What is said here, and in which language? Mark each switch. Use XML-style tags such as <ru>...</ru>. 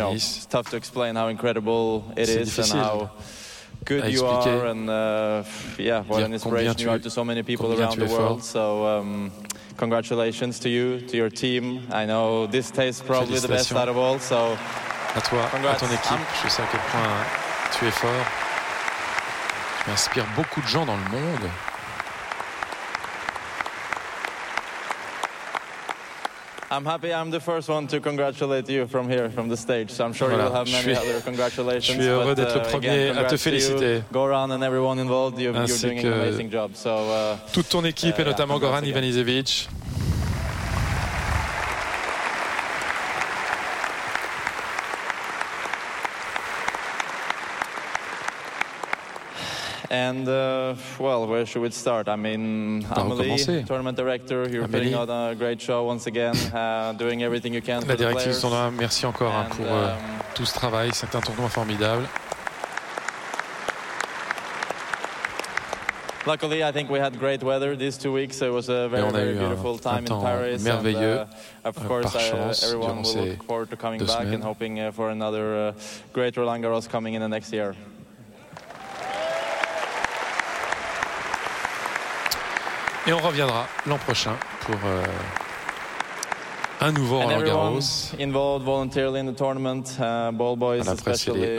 <en>You know, it's tough to explain how incredible it</en> <fr>c'est</fr> <en>is</en> <fr>difficile</fr> <en>and how good you are and what an inspiration you are to so many people around the world.</en> <fr>Fort.</fr> <en>So congratulations to you, to your team. I know this tastes probably the best out of all. So</en> <fr>à toi, congrats. À ton équipe. Je sais à quel point tu es fort. Tu inspires beaucoup de gens dans le monde.</fr> <en>I'm happy I'm the first one to congratulate you from here, from the stage. So I'm sure you'll have many other congratulations.</en> <fr>Je suis heureux d'être le premier à te féliciter.</fr> <en>Goran and everyone involved, you're doing an amazing job. So,</en> <fr>toute ton équipe et notamment Goran Ivanišević.</fr> <en>Yeah. And well, where should we start? I mean, Amélie, tournament director, you're putting on a great show once again, doing everything you can.</en> <fr>La directrice sont là. Merci encore pour tout ce travail. C'est un tournoi formidable.</fr> <en>Luckily, I think we had great weather these 2 weeks, so it was a very, very beautiful time in Paris.</en> <fr>Merveilleux.</fr> <en>And, of course, everyone will look forward to coming back and hoping for another great Roland Garros coming in the next year.</en> <fr>Et on reviendra l'an prochain pour un nouveau Roland Garros.</fr> <en>Involved voluntarily in the tournament, ball boys especially,</en>